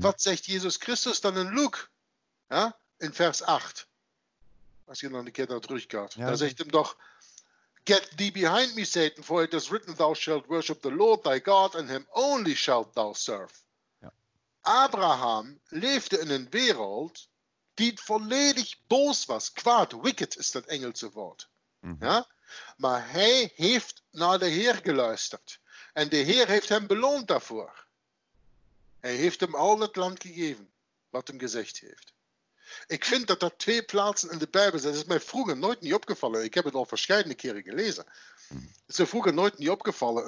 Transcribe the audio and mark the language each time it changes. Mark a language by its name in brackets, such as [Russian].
[Dutch] Wat zegt Jezus Christus dan in Luke? Ja? In vers 8. Als je dan een keer naar terug gaat. Ja, dan zegt hem toch, [English] get thee behind me, Satan, for it is written, thou shalt worship the Lord thy God, and him only shalt thou serve. [Dutch] Ja. Abraham leefde in een wereld die vorledig bos was, quad, wicked ist das engelse Wort. Mhm. Ja? Maar hij heeft naar de Heer geluisterd. En de Heer heeft hem beloond daarvoor. Hij heeft hem al het land gegeven, wat hem gezegd heeft. Ik vind dat dat twee plaatsen in de Bijbel zijn. Dat is mij vroeger nooit niet opgevallen. Ik heb het al verschillende keren gelezen. Het is mij vroeger nooit niet opgevallen.